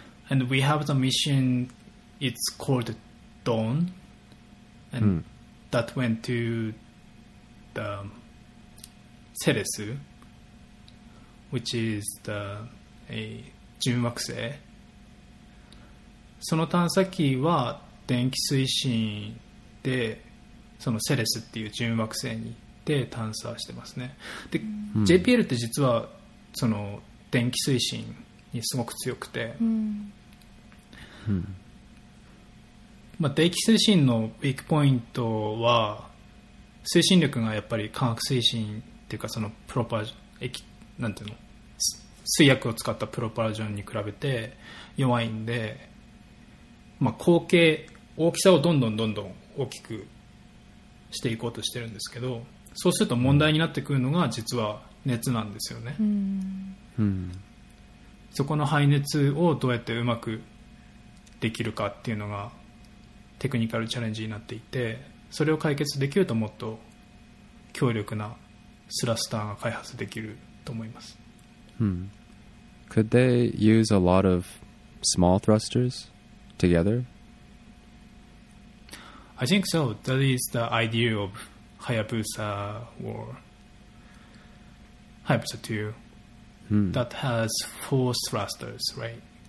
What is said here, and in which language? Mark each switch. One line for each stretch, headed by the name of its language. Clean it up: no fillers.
English: And we have the mission, it's called Dawn, and that went to the Ceres, which is the Junwakusei.
Japanese: その探査機は電気推進でそのセレスっていう準惑星に行って探査してますね。で、JPL って実はその電気推進にすごく強くて、まあ、電気推進のウィークポイントは推進力がやっぱり化学推進っていうかそのプロパージョン、なんていうの、水薬を使ったプロパージョンに比べて弱いんで、まあ、口径大きさをどんどんどんどん大きくしていこうとしてるんですけど、そうすると問題になってくるのが実は熱なんですよね。うん、そこの排熱をどうやってうまくできるかっていうのがテクニカルチャレンジになっていて、それを解決できるともっと強力なスラスターが開発できると思います。
English: Could they use a lot of small thrusters together? I think so. That is the idea of Hayabusa or Hayabusa 2 that has four thrusters, right?